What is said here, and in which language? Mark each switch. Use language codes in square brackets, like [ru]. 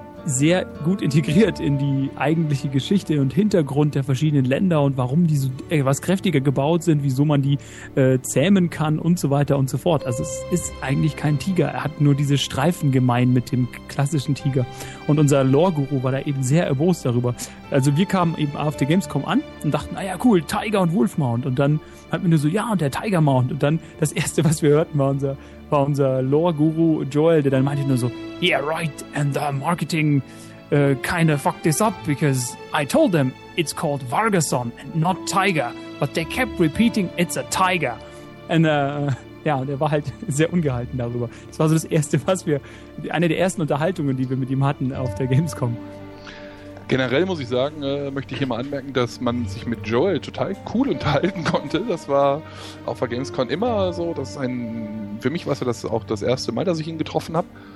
[de] sehr gut integriert in die eigentliche Geschichte und Hintergrund der verschiedenen Länder und warum die so etwas kräftiger gebaut sind, wieso man die zähmen kann und so weiter und so fort. Also es ist eigentlich kein Tiger, er hat nur diese Streifen gemein mit dem klassischen Tiger. Und unser Lore-Guru war da eben sehr erbost darüber. Also wir kamen eben auf der Gamescom an und dachten, naja cool, Tiger und Wolf Mount. Und dann hat man nur so, ja, und der Tiger Mount. Und dann das Erste, was wir hörten, war unser Lore-Guru Joel, der dann meinte nur so, [en] yeah, right, and the marketing kind of fucked this up, because I told them it's called Vargason and not Tiger, but they kept repeating it's a Tiger. [de] And ja, und er war halt sehr ungehalten darüber. Das war so das Erste, was wir, eine der ersten Unterhaltungen, die wir mit ihm hatten auf der Gamescom. Generell muss ich sagen, möchte ich hier mal anmerken, dass man sich mit Joel total cool unterhalten konnte. Das war auf der Gamescom immer so, dass ein, für mich war es das auch das erste Mal, dass ich ihn getroffen habe.